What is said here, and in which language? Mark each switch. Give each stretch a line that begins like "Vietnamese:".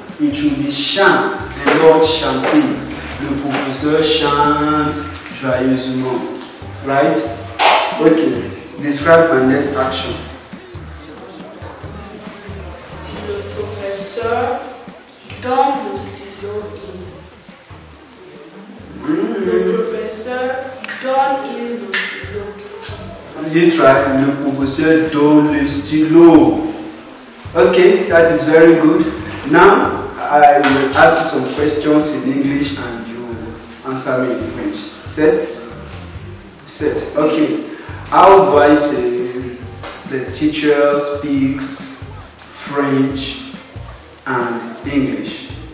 English: It will be chante and not chanting.
French: Le professeur chante joyeusement.
English: Right? Ok. Describe my next action.
French: Le professeur donne le stylo in. Le professeur donne il le stylo.
English: You try.
French: Le professeur donne le stylo.
English: Okay, that is very good. Now, I will ask you some questions in English and you answer me in French. Set. Okay. How do I say the teacher speaks French and English?